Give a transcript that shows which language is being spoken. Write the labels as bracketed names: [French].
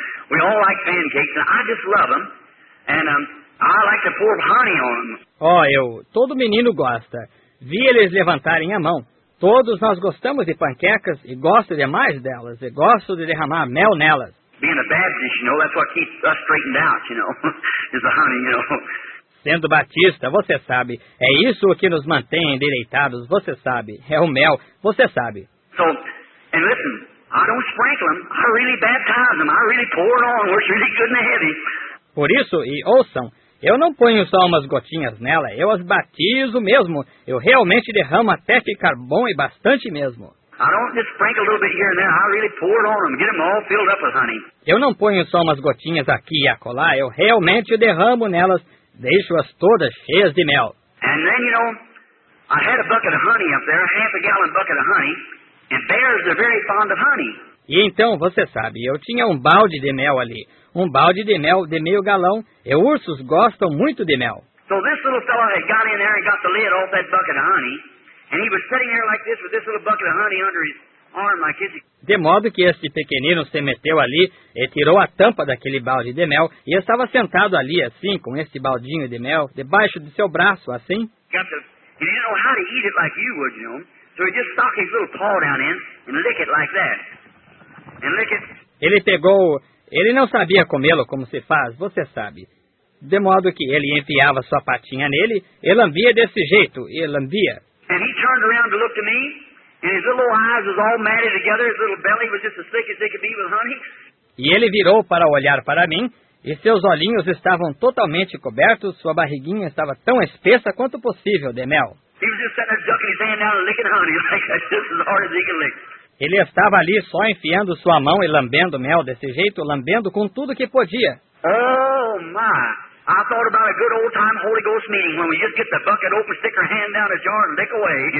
[English] We all like pancakes, and I just love them. And I like to pour honey on them. [Portuguese] Todo menino gosta. Vi eles levantarem a mão. Todos nós gostamos de panquecas e gosto demais delas. E gosto de derramar mel nelas. [English] Being a Baptist, you know, that's what keeps us straightened out, you know, is the honey, you know. [Portuguese] Sendo batista, você sabe, é isso que nos mantém endireitados, você sabe. É o mel, você sabe. [English] So, and listen. I don't sprinkle them. I really baptize them. I really pour it on where it's really good and heavy. [Portuguese] Por isso, e ouçam, eu não ponho só umas gotinhas nela. Eu as batizo mesmo. Eu realmente derramo até ficar bom e bastante mesmo. [English] I don't just sprinkle a little bit here and there. I really pour it on them. Get them all filled up with honey. [Portuguese] Eu não ponho só umas gotinhas aqui e acolá. Eu realmente derramo nelas. Deixo-as todas cheias de mel. [English] And then, you know, I had a bucket of honey up there, a half a gallon bucket of honey. And bears are very fond of honey. [Portuguese] E então, você sabe, eu tinha um balde de mel ali. Um balde de mel de meio galão. E ursos gostam muito de mel. [English] So this little fellow had got in there and got the lid off that bucket of honey. And he was sitting there like this with this little bucket of honey under his arm like this. [Portuguese] De modo que este pequenino se meteu ali e tirou a tampa daquele balde de mel. E estava sentado ali assim, com este baldinho de mel, debaixo do seu braço, assim. [English] He didn't know how to eat it like you would, you know. So he just stuck his little paw down in and lick it like that. And lick it. [Portuguese] Ele pegou... Ele não sabia comê-lo como se faz, você sabe. De modo que ele enfiava sua patinha nele e lambia desse jeito, e lambia. [English] And he turned around to look to me and his little eyes was all matted together. His little belly was just as thick as they could be with honey. [Portuguese] E ele virou para olhar para mim e seus olhinhos estavam totalmente cobertos, sua barriguinha estava tão espessa quanto possível de mel. [English] He was just sitting there ducking his hand down and licking honey like just as hard as he can lick. [Portuguese] Ele estava ali só enfiando sua mão e lambendo mel desse jeito, lambendo com tudo que podia. [English] Oh my! I thought about a good old time Holy Ghost meeting when we just get the bucket open, stick our hand down a jar and lick away.